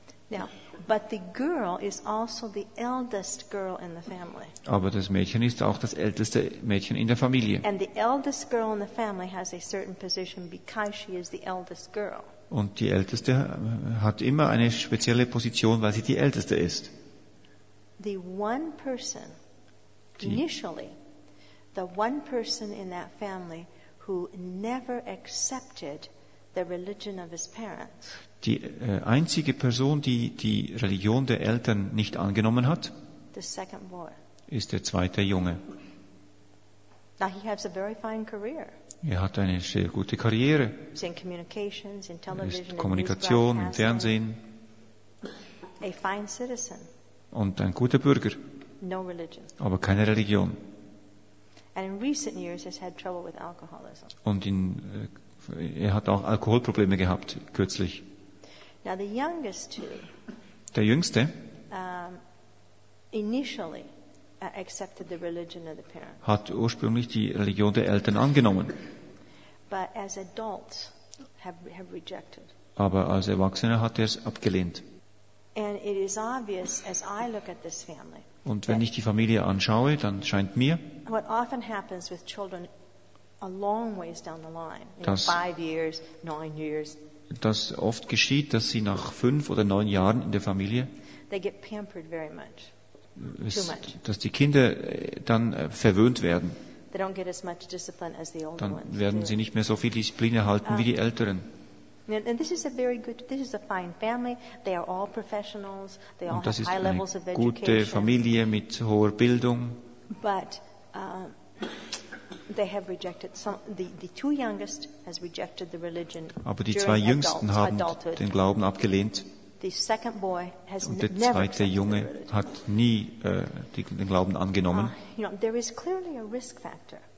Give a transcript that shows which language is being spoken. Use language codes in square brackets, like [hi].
[en] Now, but the girl is also the eldest girl in the family. [de] Aber das Mädchen ist auch das älteste Mädchen in der Familie. [en] And the eldest girl in the family has a certain position because she is the eldest girl. [de] Und die älteste hat immer eine spezielle Position, weil sie die älteste ist. [en] The one person, initially, the one person in that family who never accepted the religion of his parents. [de] Die einzige Person, die die Religion der Eltern nicht angenommen hat, ist der zweite Junge. [en] Now he has a very fine career. [de] Er hat eine sehr gute Karriere. [en] He's in communications, in television, [de] er ist Kommunikation, im Fernsehen. [en] A fine citizen. [de] Und ein guter Bürger. [en] No religion. [de] Aber keine Religion. [en] And in recent years has had trouble with alcoholism. [de] Und in, er hat auch Alkoholprobleme gehabt, kürzlich. [en] Now the youngest two, [de] der Jüngste, [en] initially accepted the religion of the parents. [de] Hat ursprünglich die Religion der Eltern angenommen. [en] But as adults have rejected. [de] Aber als Erwachsener hat er es abgelehnt. [en] And it is obvious as I look at this family. [de] Und wenn ich die Familie anschaue, dann scheint mir, [en] what often happens with children a long ways down the line, in 5 years, 9 years, [de] das oft geschieht, dass sie nach 5 oder 9 Jahren in der Familie, [en] they get pampered very much, too much. [de] Dass die Kinder dann verwöhnt werden. [en] They don't get as much discipline as the older [de] dann [en] ones, [de] werden sie nicht mehr so viel Disziplin erhalten wie die Älteren. [en] And this is a very good, this is a fine family. They are all professionals. They all have high levels of education. [de] Gute Familie mit hoher Bildung. [en] But they have rejected some, the two youngest has rejected the religion. [de] Aber die zwei Jüngsten haben den Glauben abgelehnt. [en] The second boy has [de] und der zweite Junge hat nie den Glauben angenommen. [en] You know, there is clearly a risk factor.